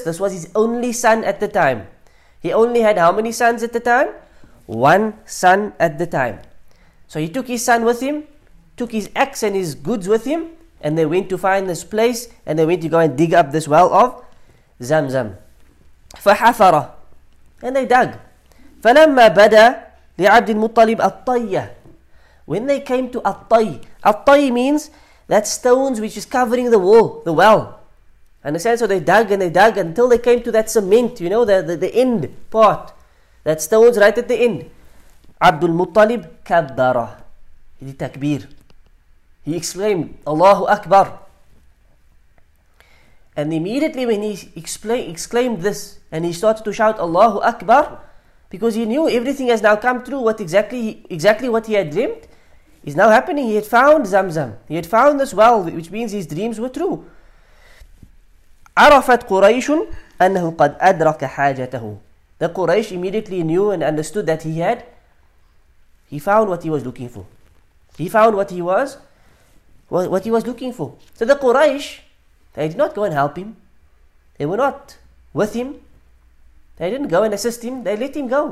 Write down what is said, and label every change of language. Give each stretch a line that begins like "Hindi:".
English: This was his only son at the time. He only had how many sons at the time? One son at the time. So he took his son with him, took his axe and his goods with him, and they went to find this place, and they went to go and dig up this well of Zamzam.
Arabic: فحفر.
English: And they dug.
Arabic: فلما بدا لعبد المطلب الطية.
English: When they came to الطي, الطي means that stones which is covering the wall, the well. Understand? So they dug and they dug until they came to that cement, you know, the end part. That stone's right at the end.
Arabic: عبد المطلب كبر.
English: He did takbir. He exclaimed, Allahu Akbar. And immediately when he exclaimed this, and he started to shout, Allahu Akbar, because he knew everything has now come true, what exactly what he had dreamed is now happening. He had found Zamzam. He had found this well, which means his dreams were true.
Arabic: عرفت قريش أنه قد أدرك حاجته.
English: The Quraysh immediately knew and understood that he found what he was looking for. So the Quraysh, they did not go and help him. They were not with him. They didn't go and assist him. They let him go.